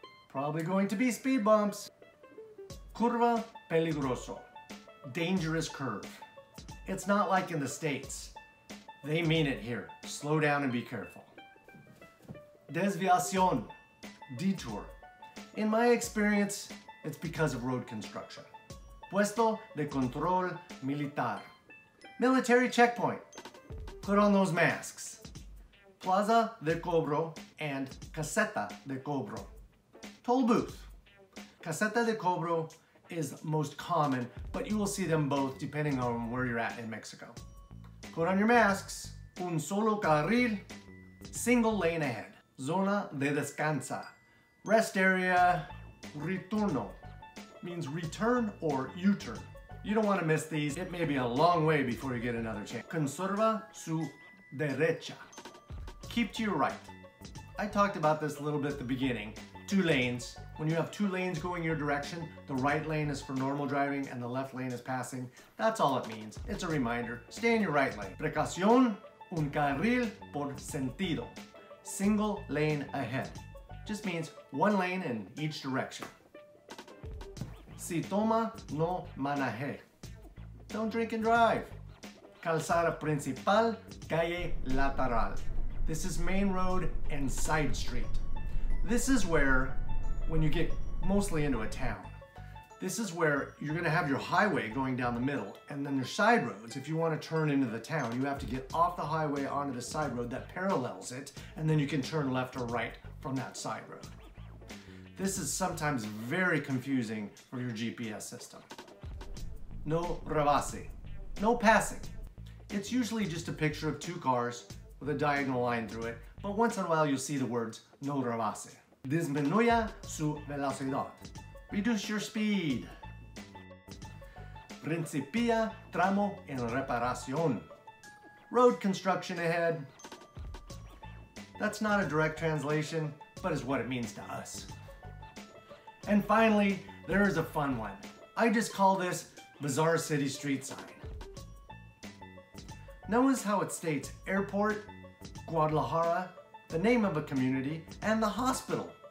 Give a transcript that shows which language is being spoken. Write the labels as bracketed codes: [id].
[en] Probably going to be speed bumps. [es] Curva peligroso. [en] Dangerous curve. It's not like in the States. They mean it here. Slow down and be careful. Desviación, detour. In my experience, it's because of road construction. [es] Puesto de control militar. [en] Military checkpoint. Put on those masks. [es] Plaza de cobro and caseta de cobro. [en] Toll booth. [es] Caseta de cobro [en] is most common, but you will see them both depending on where you're at in Mexico. Put on your masks. [es] Un solo carril, [en] single lane ahead. [es] Zona de descansa, [en] rest area, retorno, means return or U-turn. You don't want to miss these. It may be a long way before you get another chance. [es] Conserva su derecha, [en] keep to your right. I talked about this a little bit at the beginning, two lanes. When you have two lanes going your direction, the right lane is for normal driving and the left lane is passing. That's all it means. It's a reminder, stay in your right lane. [es] Precaución, un carril por sentido. [en] Single lane ahead. Just means one lane in each direction. [es] Si toma, no maneje. [en] Don't drink and drive. [es] Calzada principal, calle lateral. [en] This is main road and side street. This is where, when you get mostly into a town, this is where you're gonna have your highway going down the middle and then your side roads. If you wanna turn into the town, you have to get off the highway onto the side road that parallels it, and then you can turn left or right from that side road. This is sometimes very confusing for your GPS system. [es] no rebase, [en] no passing. It's usually just a picture of two cars with a diagonal line through it, but once in a while you'll see the words no rebase. [es] Disminuya su velocidad. [en] Reduce your speed. [es] Principia tramo en reparación. [en] Road construction ahead. That's not a direct translation, but is what it means to us. And finally, there is a fun one. I just call this Bizarre City Street Sign. Notice how it states airport, Guadalajara, the name of a community, and the hospital.